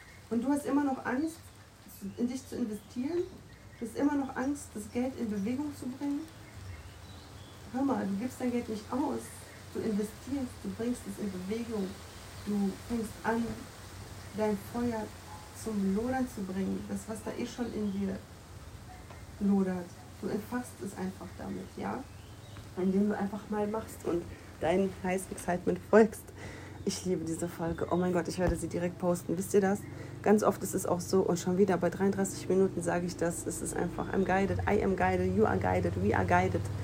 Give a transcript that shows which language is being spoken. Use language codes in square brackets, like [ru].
[de] Und du hast immer noch Angst, in dich zu investieren. Du hast immer noch Angst, das Geld in Bewegung zu bringen. Hör mal, du gibst dein Geld nicht aus. Du investierst, du bringst es in Bewegung. Du fängst an, dein Feuer zum Lodern zu bringen. Das, was da eh schon in dir lodert. Du entfachst es einfach damit, ja? Indem du einfach mal machst und dein heißes Excitement folgst. Ich liebe diese Folge. Oh mein Gott, ich werde sie direkt posten. Wisst ihr das? Ganz oft ist es auch so, und schon wieder bei 33 Minuten sage ich das, es ist einfach, [en] I'm guided, I am guided, you are guided, we are guided.